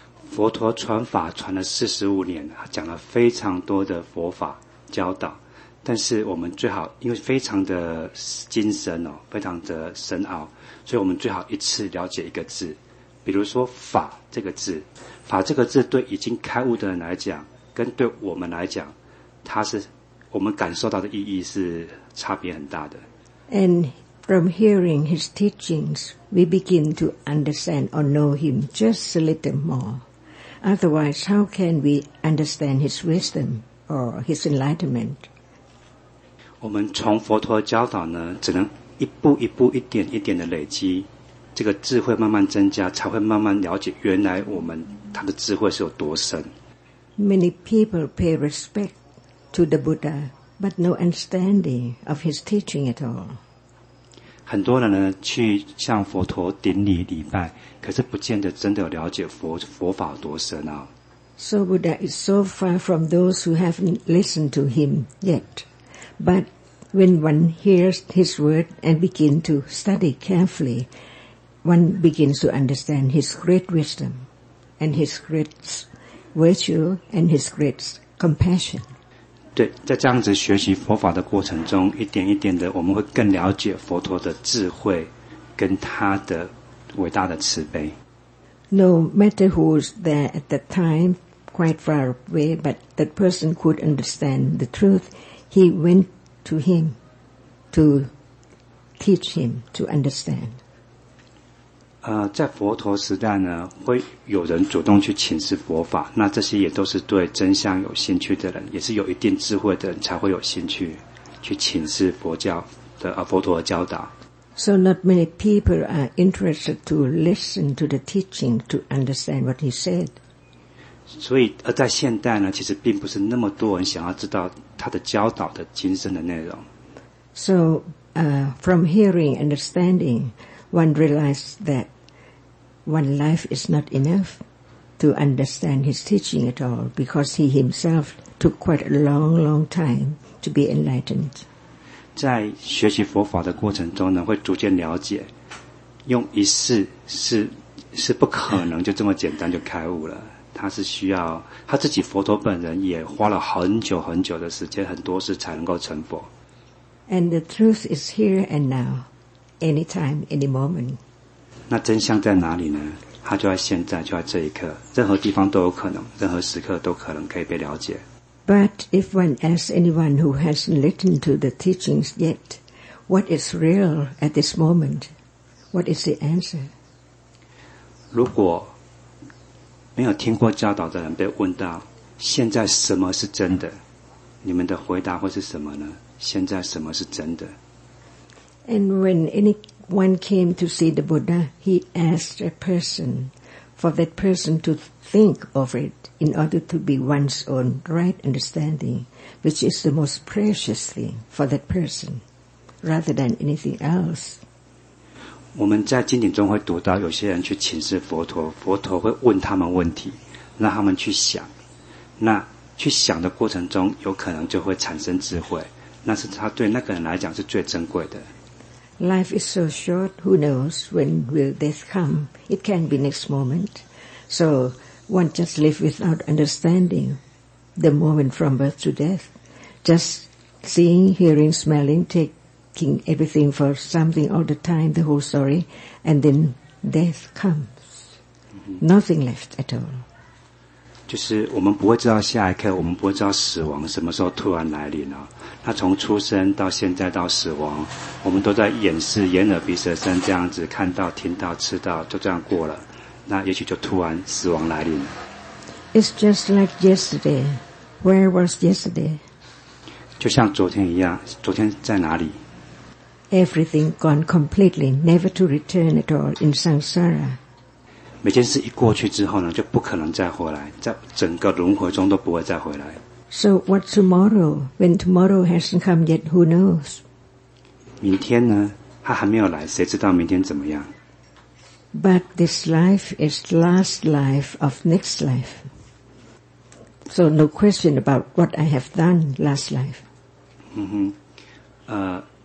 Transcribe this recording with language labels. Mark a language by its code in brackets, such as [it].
[zh] 佛陀传法传了45年，讲了非常多的佛法教导，但是我们最好，因为非常的精深哦，非常的深奥，所以我们最好一次了解一个字，比如说法这个字，法这个字对已经开悟的人来讲，跟对我们来讲，它是我们感受到的意义是差别很大的。 [en] And from hearing his teachings, we begin to understand or know him just a little more. Otherwise, how can we understand his wisdom or his enlightenment? [zh] 我们从佛陀教导呢，只能一步一步、一点一点的累积，这个智慧慢慢增加，才会慢慢了解原来我们他的智慧是有多深。 [en] Many people pay respect to the Buddha, but no understanding of his teaching at all. [zh] 很多人呢去向佛陀顶礼礼拜，可是不见得真的了解 佛法多深啊。 [en] So Buddha is so far from those who haven't listened to him yet. But when one hears his word and begin to study carefully, one begins to understand his great wisdom and his great virtue and his great compassion. [zh] 对，在这样子学习佛法的过程中，一点一点的，我们会更了解佛陀的智慧跟他的伟大的慈悲。 [en] No matter who was there at the time, quite far away, but that person could understand the truth, he went to him to teach him to understand. [zh] 在佛陀时代呢，会有人主动去请示佛法，那这些也都是对真相有兴趣的人，也是有一定智慧的人才会有兴趣去请示佛教的佛陀的教导。 [en] So not many people are interested to listen to the teaching to understand what he said. [zh] 所以在现代呢，其实并不是那么多人想要知道他的教导的精神的内容。 [en] So, from hearing understanding,One realized that one life is not enough to understand his teaching at all because he himself took quite a long, long time to be enlightened. [zh] 在学习佛法的过程中呢，会逐渐了解，用一世是不可能就这么简单就开悟了。他是需要，他自己佛陀本人也花了很久很久的时间，很多事才能够成佛。 [en] And the truth is here and now. Anytime, any moment. [zh] 那真相在哪里呢？它就在现在，就在这一刻。任何地方都有可能，任何时刻都可能可以被了解。 [en] But if one asks anyone who hasn't listened to the teachings yet, what is real at this moment? What is the answer? [zh] 如果没有听过教导的人被问到，现在什么是真的？你们的回答会是什么呢？现在什么是真的？ [en] And when anyone came to see the Buddha, he asked a person for that person to think of it in order to be one's own right understanding, which is the most precious thing for that person, rather than anything else. [zh] 我们在经典中会读到有些人去请示佛陀，佛陀会问他们问题，让他们去想。那去想的过程中，有可能就会产生智慧，那是他对那个人来讲是最珍贵的。 [en] Life is so short, who knows when will death come? It can be next moment. So one just live without understanding the moment from birth to death. Just seeing, hearing, smelling, taking everything for something all the time, the whole story, and then death comes. Nothing left at all. [zh] 就是我们不会知道下一刻，我们不会知道死亡什么时候突然来临了。他从出生到现在到死亡，我们都在眼视眼耳鼻舌身这样子看到听到吃到，就这样过了，那也许就突然死亡来临。 [en] It's just like yesterday. Where was yesterday? [zh] 就像昨天一样，昨天在哪里？ [en] Everything gone completely, never to return at all in samsara. [zh] 每件事一过去之后呢，就不可能再回来，在整个轮回中都不会再回来。 [en] So what tomorrow? When tomorrow hasn't come yet, who knows? [zh] 明天呢？他还没有来，谁知道明天怎么样？ [en] But this life is last life of next life. So no question about what I have done last life.